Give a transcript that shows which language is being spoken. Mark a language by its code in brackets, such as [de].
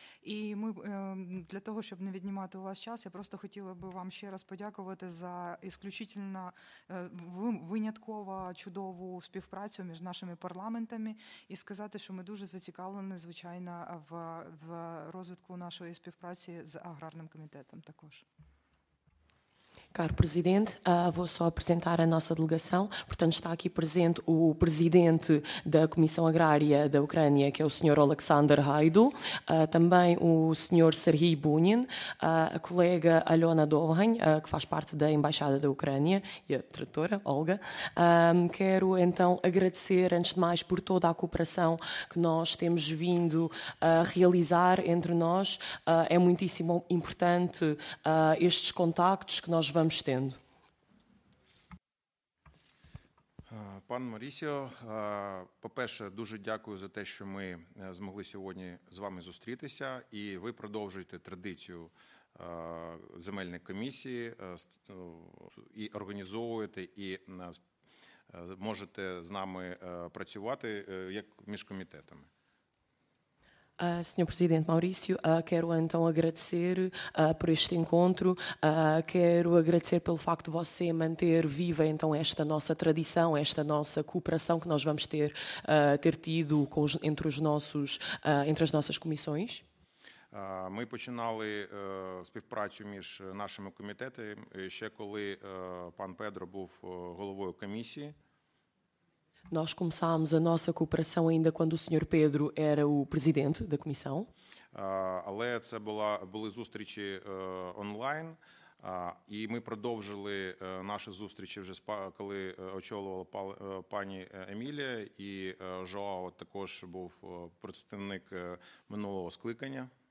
[uk] І ми для того, щоб не віднімати у вас час, я просто хотіла би вам ще раз подякувати за [ru] исключительно [uk] винятково чудову співпрацю між нашими парламентами і сказати, що ми дуже зацікавлені, звичайно, в розвитку нашої співпраці з аграрним комітетом також. [pt] Caro Presidente, vou só apresentar a nossa delegação. Portanto, está aqui presente o Presidente da Comissão Agrária da Ucrânia, que é o Sr. Alexander Haidu, também o Sr. Sergei Bunin, a colega Alona Dovhan, que faz parte da Embaixada da Ucrânia, e a tradutora, Olga. Quero, então, agradecer, antes de mais, por toda a cooperação que nós temos vindo a realizar entre nós. É muitíssimo importante estes contactos que nós vamos tendo. [uk] Пан Марісіо, по-перше, дуже дякую за те, що ми змогли сьогодні з вами зустрітися, і ви продовжуєте традицію земельної комісії і організовуєте, і можете з нами працювати як між комітетами. [pt] Senhor Presidente Maurício, quero então agradecer por este encontro, quero agradecer pelo facto de você manter viva então esta nossa tradição, esta nossa cooperação que nós vamos ter tido entre as nossas comissões. [uk] Ми починали співпрацю між нашими комітетами ще коли пан Педро був головою комісії. [pt] Nós começámos a nossa cooperação ainda quando o Sr. Pedro era o presidente da comissão. [uk] Але це були зустрічі онлайн, і ми продовжили наші зустрічі вже коли очолювала пані Емілія, і Жоао також був представник минулого скликання.